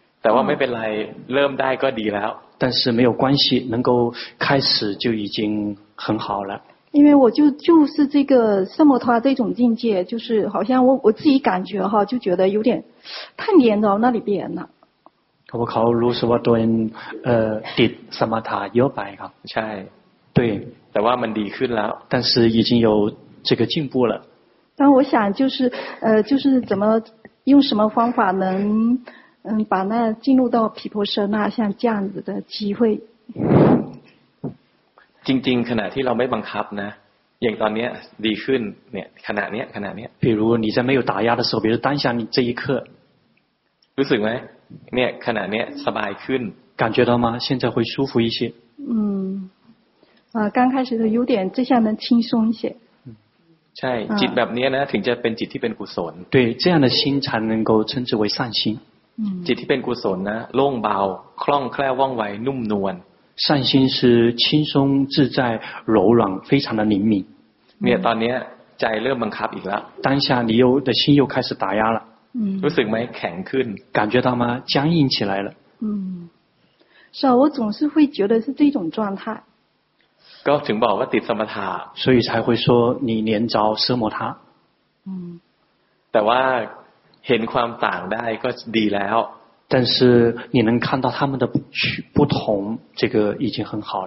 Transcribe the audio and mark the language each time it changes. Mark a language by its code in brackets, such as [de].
[th] แต่ว่าไม่เป็นไรเริ่มได้ก็ดีแล้ว [zh] 但是没有关系能够开始就已经很好了因为我就是这个奢摩他这种境界就是好像我自己感觉哈就觉得有点太黏到那里边了我考卢斯瓦顿 [th] ติดสมถะเยอะไปครับ ใช่ [zh] 对 [th] แต่ว่ามันดีขึ้นแล้ว [zh] 但是已经有这个进步了但我想就是怎么用什么方法能把那进入到毗婆舍那像这样子的机会 [th] จริงๆขณะที่เราไม่บังคับนะอย่างตอนนี้ดีขึ้นเนี่ยขณะนี้ขณะนี้ [zh] 比如你在没有打压的时候比如当下你这一刻 [th] รู้สึกไหมเนี่ยขณะนี้สบายขึ้น [zh] 感觉到吗现在会舒服一些刚开始的有点这下能轻松一些 [th] ใช่จิตแบบนี้นะถึงจะเป็นจิตที่เป็นกุศล [zh] 对这样的心才能够称之为善心 [th] จิตที่เป็นกุศลนะโล่งเบาคล่องแคล่วว่องไวนุ่มนวล [zh] 善心是轻松自在柔软非常的灵敏 [th] เนี่ยตอนนี้ใจเริ่มบังคับอีกแล้ว [zh] 当下你又的心又开始打压了 [th] รู้สึกไหมแข็งขึ้น [zh] 感觉到吗僵硬起来了是啊我总是会觉得是这种状态 [th] ก็ถึงบอกว่าติดสมถะ [zh] 所以才会说你连着奢摩他 [th] แต่ว่าเห็นความต่างได้ก็ดีแล้ว [zh] 但是你能看到他们的不同这个已经很好